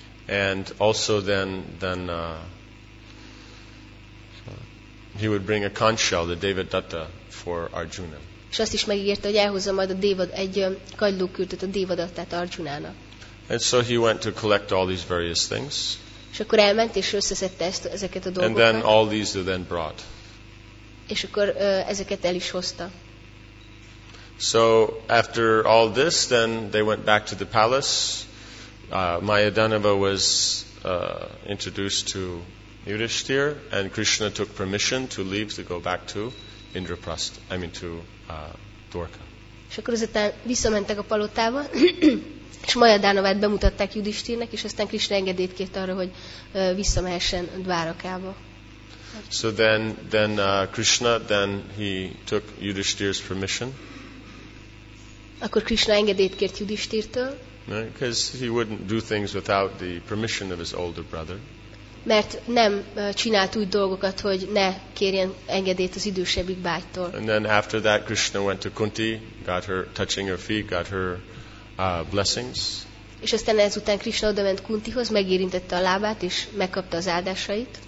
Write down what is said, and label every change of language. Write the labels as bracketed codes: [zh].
[en] And also then he would bring a conch shell, the Devadatta, for Arjuna. [hu] És azt is megígérte, hogy elhozza majd a Devad egy kagylókürtöt, a Devadattát Arjunának. [en] And so he went to collect all these various things. [hu] És akkor elment és összeszedte ezeket a dolgokat. [en] And then all these were then brought. [hu] És akkor ezeket el is hozta. [en] So after all this, then they went back to the palace. Maya Dhanava was introduced to Yudhishthir, and Krishna took permission to leave to go back to Indraprastha. Dwarka. [hu] És akkor ezután visszamentek a palotába, és Maya Dhanavát bemutatták Yudhishthirnek, és aztán Krishna engedélyt kért arra, hogy visszamehessen Dwarakába. [en] So then Krishna, then he took Yudhishthir's permission. [hu] Akkor Krishna engedélyt kért Yudhishthirtől. [en] Because he wouldn't do things without the permission of his older brother. [hu] Mert nem csinált úgy dolgokat, hogy ne kérjen engedélyt az idősebbik bátytól. [en] And then after that Krishna went to Kunti, got her touching her feet, got her blessings. [hu] És aztán ezután Krishna odament Kuntihoz, megérintette a lábát és megkapta az áldásait.